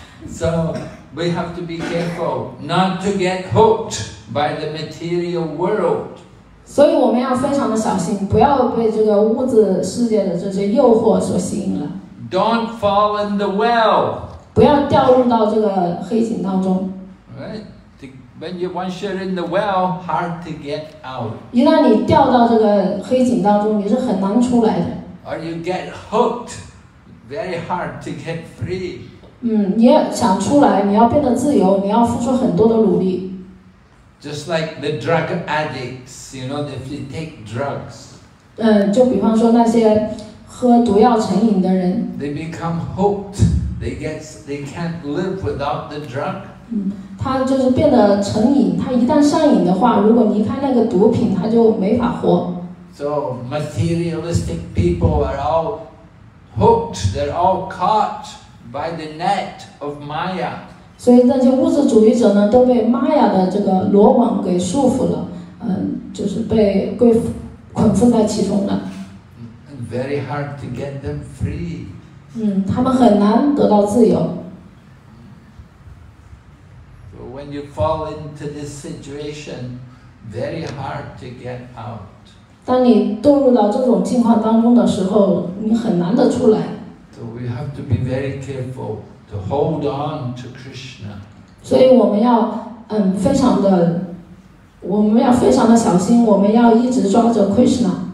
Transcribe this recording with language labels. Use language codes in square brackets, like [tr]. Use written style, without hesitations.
[en] So we have to be careful not to get hooked by the material world. [zh] 所以我们要非常的小心，不要被这个物质世界的这些诱惑所吸引了。 [en] Don't fall in the well. [zh] 不要掉入到这个黑井当中。 [en] Right? Once you're in the well, hard to get out. [zh] 一旦你掉到这个黑井当中，你是很难出来的。 [en] Or you get hooked, very hard to get free. [zh] 嗯，你要想出来，你要变得自由，你要付出很多的努力。 [en] Just like the drug addicts, you know, if they take drugs. [zh] 就比方说那些喝毒药成瘾的人。 [en] They become hooked. They can't live without the drug. [zh] 他就是变得成瘾，他一旦上瘾的话，如果离开那个毒品，他就没法活。 [en] So materialistic people are all hooked. They're all caught. By the net of Maya. [zh] 所以那些物质主义者呢，都被 Maya 的这个罗网给束缚了，就是被捆缚在其中了。 [en] Very hard to get them free. [zh] 他们很难得到自由。 [en] So when you fall into this situation, very hard to get out. [zh] 当你堕入到这种境况当中的时候，你很难得出来。 [en] So we have to be very careful to hold on to Krishna. [zh] 所以我们要非常的，我们要非常的小心，我们要一直抓着 Krishna.